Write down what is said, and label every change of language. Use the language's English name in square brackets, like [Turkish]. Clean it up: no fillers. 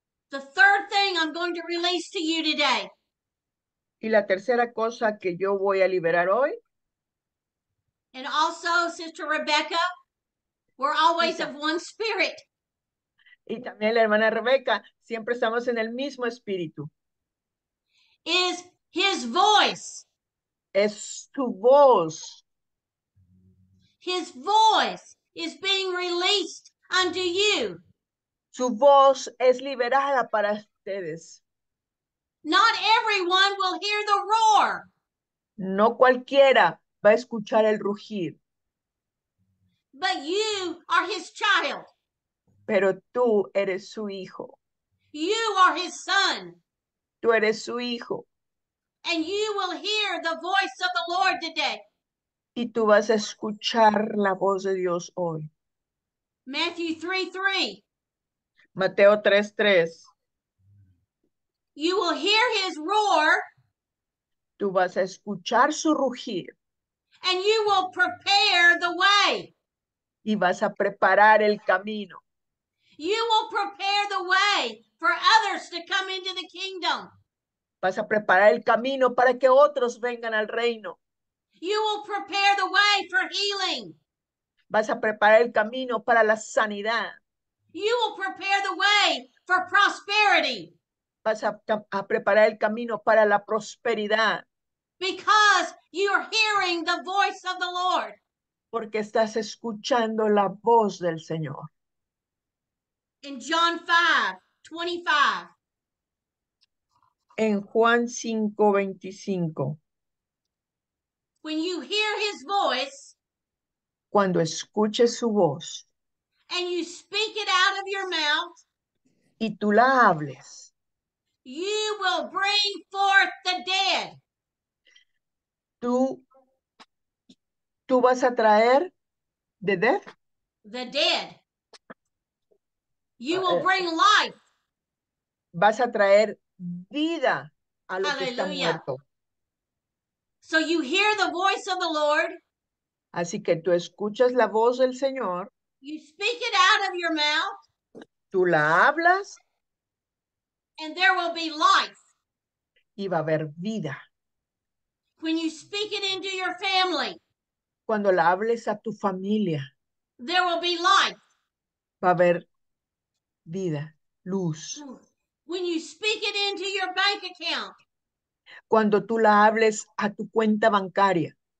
[English] The third thing I'm going to release to you today. [Spanish] Y la tercera cosa que yo voy a liberar hoy [English] And also, Sister Rebecca, we're always of one spirit. [Spanish] Y también la hermana Rebeca, siempre estamos en el mismo espíritu. [English] Is his voice. [Spanish] Es tu voz. [English] His voice is being released unto you. [Spanish] Su voz es liberada para ustedes. [English] Not everyone will hear the roar. [Spanish] No cualquiera va a escuchar el rugir. [English] But you are his child. [Spanish] Pero tú eres su hijo. [English] You are his son. [Spanish] Tú eres su hijo. [English] And you will hear the voice of the Lord today. [Spanish] Y tú vas a escuchar la voz de Dios hoy. [English] Matthew [Spanish] 3:3. Mateo 3:3. [English] You will hear his roar. [Spanish] Tú vas a escuchar su rugir. [English] And you will prepare the way. [Spanish] Y vas a preparar el camino. [English] You will prepare the way for others to come into the kingdom. [Spanish] Vas a preparar el camino para que otros vengan al reino. [English] You will prepare the way for healing. [Spanish] Vas a preparar el camino para la sanidad. [English] You will prepare the way for prosperity. [Spanish] Vas a preparar el camino para la prosperidad. [English] Because you're hearing the voice of the Lord. [Spanish] Porque estás escuchando la voz del Señor. [English] In John 5:25. [Spanish] En Juan 5:25. [English] When you hear his voice. [Spanish] Cuando escuches su voz. [English] And you speak it out of your mouth. [Spanish] Y tú la hables. [English] You will bring forth the dead. [Spanish] Tú vas a traer [English] the dead. The dead. You will bring life. [Spanish] Vas a traer vida a lo que está muerto. [English] So you hear the voice of the Lord. [Spanish] Así que tú escuchas la voz del Señor. [English] You speak it out of your mouth. [Spanish] Tú la hablas. [English] And there will be life. [Spanish] Y va a haber vida. [English] When you speak it into your family. [Spanish] Cuando la hables a tu familia. [English] There will be life. [Spanish] Va a haber vida, luz. [English] When you speak it into your bank account. [Spanish] Cuando tú la hables a tu cuenta bancaria.